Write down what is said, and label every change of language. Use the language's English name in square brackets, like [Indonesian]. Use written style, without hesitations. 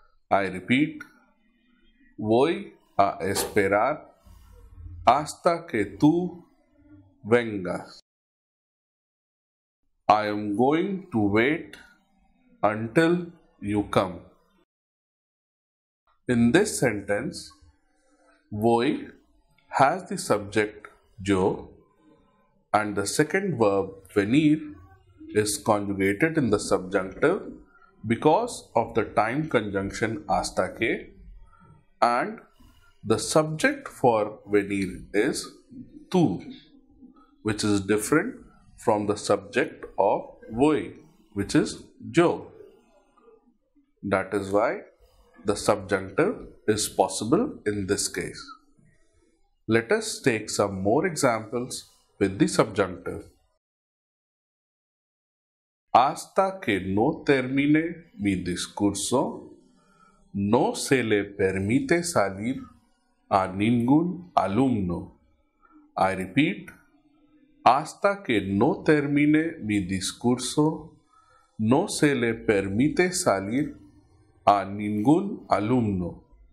[English] I repeat, [Spanish] voy a esperar hasta que tú vengas. [English] I am going to wait until you come. In this sentence, voy has the subject yo and the second verb venir is conjugated in the subjunctive because of the time conjunction hasta que, and the subject for venir is tú, which is different from the subject of voy, which is yo. That is why the subjunctive is possible in this case. Let us take some more examples with the subjunctive. [Spanish] Hasta que no termine mi discurso, no se le permite salir a ningún alumno. [English] I repeat, [Spanish] hasta que no termine mi discurso, no se le permite salir a ningún alumno.